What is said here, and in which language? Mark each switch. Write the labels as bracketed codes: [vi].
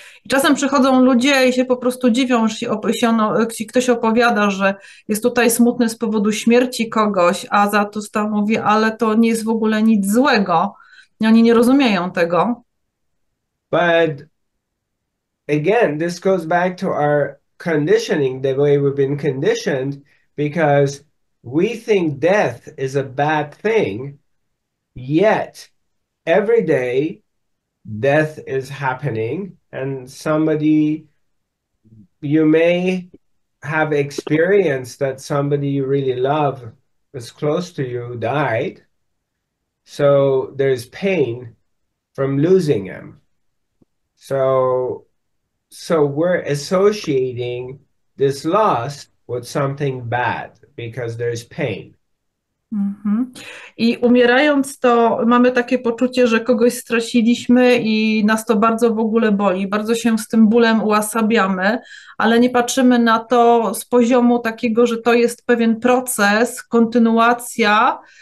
[pl] Czasem przychodzą ludzie i się po prostu dziwią, że ktoś opowiada, że jest tutaj smutny z powodu śmierci kogoś, a Zarathustra mówi, ale to nie jest w ogóle nic złego. I oni nie rozumieją tego. [en] But again, this goes back to our conditioning, the way we've been conditioned, because we think death is a bad thing, yet every day death is happening, and somebody, you may have experienced that somebody you really love was close to you, died. So there's pain from losing him. So we're associating this loss with something bad because there's pain. [pl] I umierając to mamy takie poczucie, że kogoś straciliśmy i nas to bardzo w ogóle boli, bardzo się z tym bólem uosabiamy, ale nie patrzymy na to z poziomu takiego, że to jest pewien proces, kontynuacja